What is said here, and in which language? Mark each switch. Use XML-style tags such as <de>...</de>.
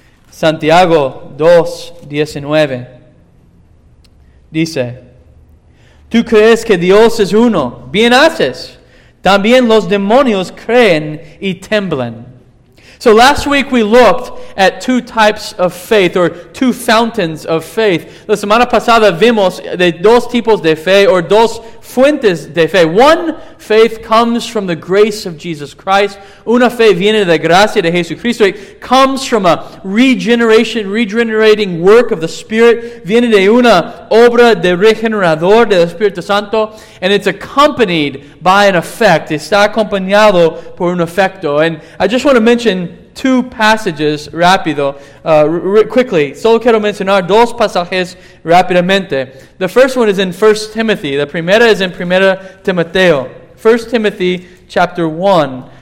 <es>Santiago 2:19 dice, ¿Tú crees que Dios es uno? Bien haces. También los demonios creen y temblan.</es> <en>So last week we looked at two types of faith, or two fountains of faith.</en> <es>La semana pasada vimos de dos tipos de fe, or dos fuentes de fe.</es> <en>One faith comes from the grace of Jesus Christ.</en> <es>Una fe viene de la gracia de Jesucristo.</es> <en>It comes from a regeneration, regenerating work of the Spirit.</en> <es>Viene de una obra de regenerador del Espíritu Santo.</es> <en>And it's accompanied by an effect.</en> <es>Está acompañado por un efecto.</es> <en>And I just want to mention two passages rápido, quickly.</en> <es>Solo quiero mencionar dos pasajes rápidamente.</es> <en>The first one is in 1 Timothy.</en> <es>La primera es en 1 Timoteo.</es> <en>1 Timothy chapter 1.</en>